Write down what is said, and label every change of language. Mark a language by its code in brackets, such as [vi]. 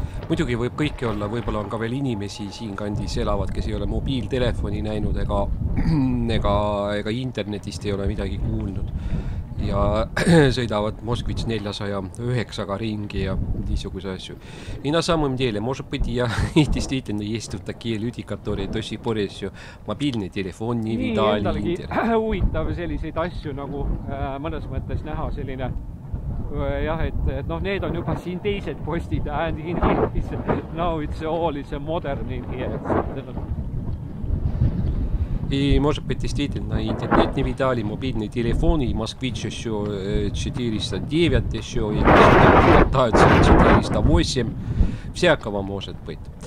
[et] Muidugi võib kõike olla, võibolla on ka veel inimesi siin kandis elavad, kes ei ole mobiiltelefoni näinud ega internetist ei ole midagi kuulnud. ja sõidavad Moskvits 409 ringi ja niisuguse asju. [ru] И на самом деле, может быть, я действительно есть тут такие люди, которые до сих пор еще мобильный телефон не видали. [et] Nii, endalgi huvitav selliseid asju nagu mõnes mõttes näha selline. Ja, et noh, need on juba siin teised postid, [en] and in this, now it's all is a modern in here. [ru] И, может быть, действительно, интернет не видали, мобильный телефон, и москвич еще 409 еще, и катаются 408, всякого может быть.